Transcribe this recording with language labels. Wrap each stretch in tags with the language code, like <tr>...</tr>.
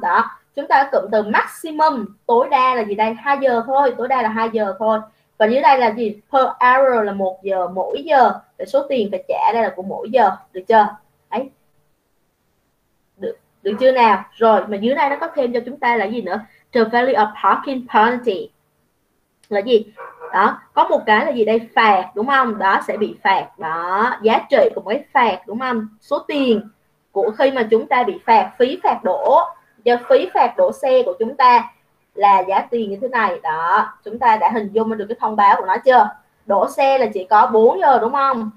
<vi>Đó, chúng ta cụm từ maximum tối đa là gì đây? 2 giờ thôi, tối đa là 2 giờ thôi. Và dưới đây là gì?</vi> <en>Per hour</en> <vi>là 1 giờ, mỗi giờ để số tiền phải trả đây là của mỗi giờ, được chưa? Ấy. Được chưa nào? Rồi mà dưới đây nó có thêm cho chúng ta là gì nữa?</vi> <en>The value of parking penalty.</en> <vi>Là gì? Đó, có một cái là gì đây? Phạt đúng không? Đó sẽ bị phạt. Đó, giá trị của cái phạt đúng không? Số tiền của khi mà chúng ta bị phạt, phí phạt đổ. Giờ phí phạt đổ xe của chúng ta là giá tiền như thế này. Đó, chúng ta đã hình dung được cái thông báo của nó chưa? Đổ xe là chỉ có 4 giờ đúng không?</vi>